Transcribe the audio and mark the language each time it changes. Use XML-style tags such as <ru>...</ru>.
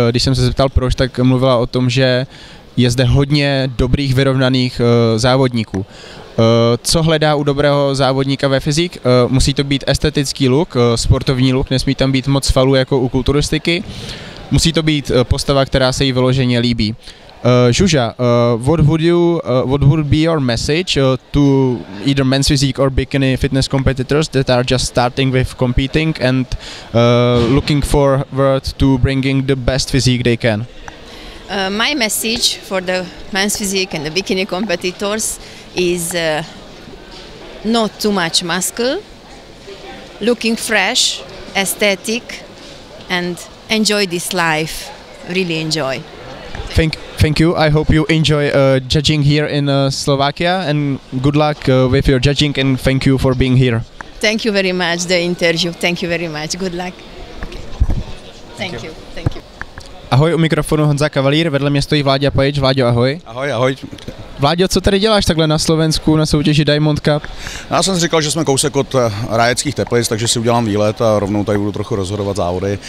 <cs>Když jsem se zeptal proč, tak mluvila o tom, že je zde hodně dobrých vyrovnaných závodníků. Co hledá u dobrého závodníka ve fyzik? Musí to být estetický look, sportovní look, nesmí tam být moc svalů jako u kulturistiky. Musí to být postava, která se jí vyloženě líbí.</cs> <en>Zsuzsa, what would be your message to either men's physique or bikini fitness competitors that are just starting with competing and looking forward to bringing the best physique they can? My message for the men's physique and the bikini competitors is not too much muscle, looking fresh, aesthetic, and enjoy this life, really enjoy. Thank you. I hope you enjoy judging here in Slovakia and good luck with your judging and thank you for being here. Thank you very much the interview. Thank you very much. Good luck. Thank you.</en> <cs>Ahoj, u mikrofonu Honza Kavalír, vedle mě stojí Vláďa Pajič. Vláďo, ahoj. Ahoj. Vláďo, co tady děláš takhle na Slovensku na soutěži Diamond Cup? Já jsem si říkal, že jsme kousek od Rajeckých Teplic, takže si udělám výlet a rovnou tady budu trochu rozhodovat závody.</cs>